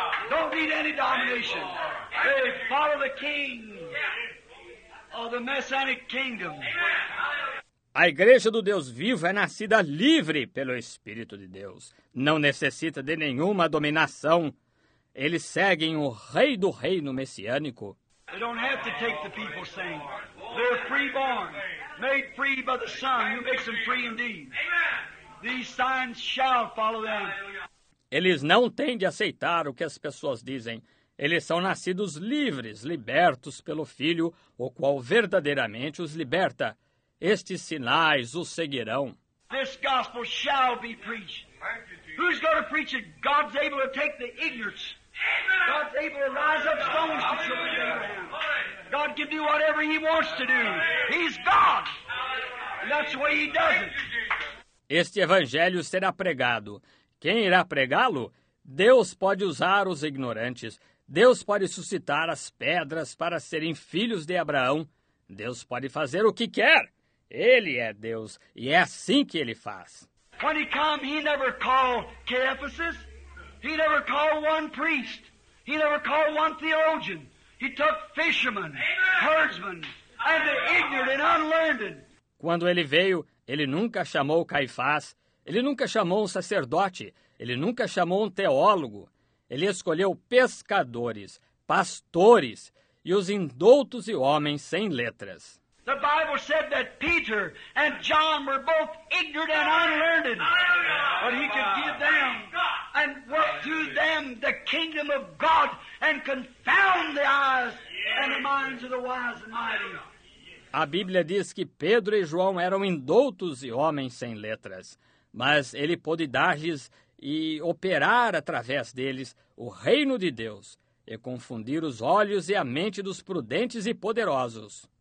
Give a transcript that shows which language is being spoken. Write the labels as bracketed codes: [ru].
[en] Don't need any domination. They follow the King of the Messianic Kingdom. [pt] A Igreja do Deus Vivo é nascida livre pelo Espírito de Deus. Não necessita de nenhuma dominação. Eles seguem o Rei do Reino Messiânico. [en] They don't have to take the people's saying. They're freeborn, made free by the Son, who makes them free indeed. These signs shall follow them. [pt] Eles não têm de aceitar o que as pessoas dizem. Eles são nascidos livres, libertos pelo Filho, o qual verdadeiramente os liberta. Estes sinais os seguirão. [en] This gospel shall be preached. Thank you, Jesus. Who's going to preach it? God's able to take the ignorance. God's able to rise up stones to children. God can do whatever He wants to do. He's God. And that's the way He does it. [pt] Este evangelho será pregado. Quem irá pregá-lo? Deus pode usar os ignorantes. Deus pode suscitar as pedras para serem filhos de Abraão. Deus pode fazer o que quer. Ele é Deus, e é assim que Ele faz. Quando Ele vem, Ele nunca chamou Caiaphas. Ele nunca chamou um [en] priest. [pt] Ele nunca chamou um teólogo. Ele tomou [en] fishermen, herdsmen, [pt] e os ignorantes e [en] unlearned. [pt] Quando Ele veio, Ele nunca chamou Caifás. Ele nunca chamou um sacerdote. Ele nunca chamou um teólogo. Ele escolheu pescadores, pastores e os indoutos e homens sem letras. [en] The Bible said that Peter and John were both ignorant and unlearned, but He could give them and work through them the kingdom of God and confound the eyes and the minds of the wise and mighty. [pt] A Bíblia diz que Pedro e João eram indoutos e homens sem letras, mas Ele pôde dar-lhes e operar através deles o reino de Deus e confundir os olhos e a mente dos prudentes e poderosos.